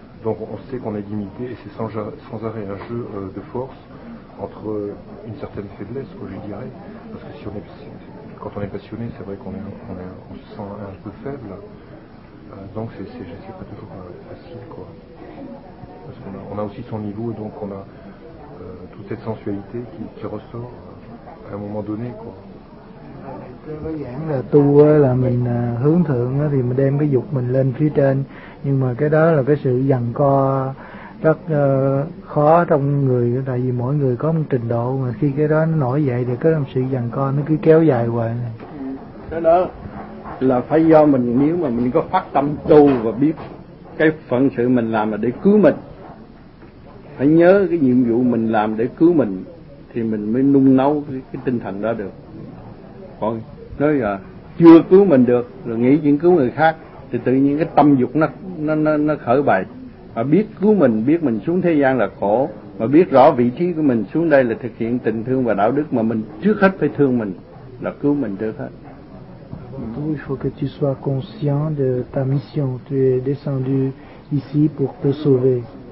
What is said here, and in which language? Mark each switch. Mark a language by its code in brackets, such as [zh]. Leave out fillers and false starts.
[fr] Donc on sait qu'on est limité, et c'est sans arrêt un jeu de force entre une certaine faiblesse, quoi, je dirais, parce que si on est, quand on est passionné, c'est vrai qu'on on se sent un peu faible, donc c'est pas toujours facile, quoi, parce qu'on a aussi son niveau, donc on a toute cette sensualité qui ressort à un moment donné, quoi. [vi] Đơn giản là tu là mình hướng thượng thì mình đem cái dục mình lên phía trên, nhưng mà cái đó là cái sự giằng co rất khó trong người, tại vì mỗi người có một trình độ, mà khi cái đó nó nổi dậy thì cái sự giằng co nó cứ kéo dài hoài. Cái đó là phải do mình, nếu mà mình có phát tâm tu và biết cái phận sự mình làm là để cứu mình, phải nhớ cái nhiệm vụ mình làm để cứu mình thì mình mới nung nấu cái tinh thần đó được. Còn nói là chưa cứu mình được rồi nghĩ chuyện cứu người khác thì tự nhiên cái tâm dục nó khởi bày. Mà biết cứu mình, biết mình xuống thế gian là khổ, mà biết rõ vị trí của mình xuống đây là thực hiện tình thương và đạo đức, mà mình trước hết phải thương mình là cứu mình trước hết. [fr] Donc, il faut que tu sois conscient de ta mission. Tu es descendu ici pour te sauver.